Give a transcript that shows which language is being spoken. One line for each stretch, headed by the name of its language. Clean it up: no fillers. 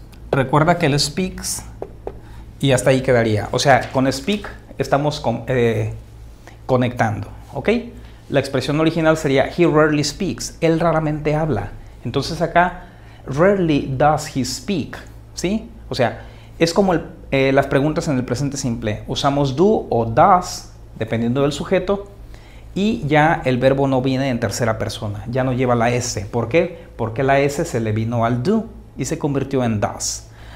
Spanish: Recuerda que el speaks y hasta ahí quedaría. O sea, con speak estamos conectando. ¿Ok? La expresión original sería
English: he rarely speaks.
Spanish: Él raramente habla. Entonces acá,
English: rarely does he speak.
Spanish: ¿Sí? O sea, es como las preguntas en el presente simple. Usamos do o does, dependiendo del sujeto. Y ya el verbo no viene en tercera persona, ya no lleva la S. ¿Por qué? Porque la S se le vino al do y se convirtió en does.